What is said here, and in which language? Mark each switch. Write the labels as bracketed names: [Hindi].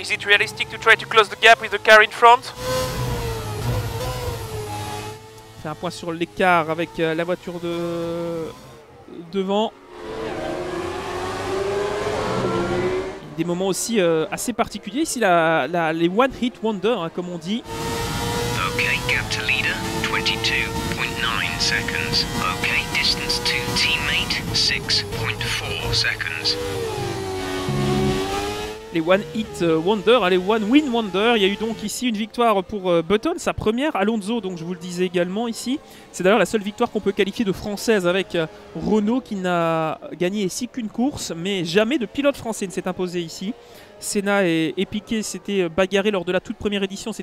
[English] Is it realistic to try to close the gap with the car in front? [French] Fais un point sur l'écart avec la voiture de devant. Des moments aussi assez particuliers ici, les [English] one hit wonder, [French] hein, comme on dit. [English] Okay, gap to leader 22.9 seconds. Okay, distance to teammate 6.4 seconds. Les One Hit Wonder, les One Win Wonder. [French] Il y a eu donc ici une victoire pour Button, sa première. Alonso, donc je vous le disais également ici. C'est d'ailleurs la seule victoire qu'on peut qualifier de française avec Renault qui n'a gagné ici qu'une course, mais jamais de pilote français ne s'est imposé ici. Senna et Piquet s'étaient bagarrés lors de la toute première édition.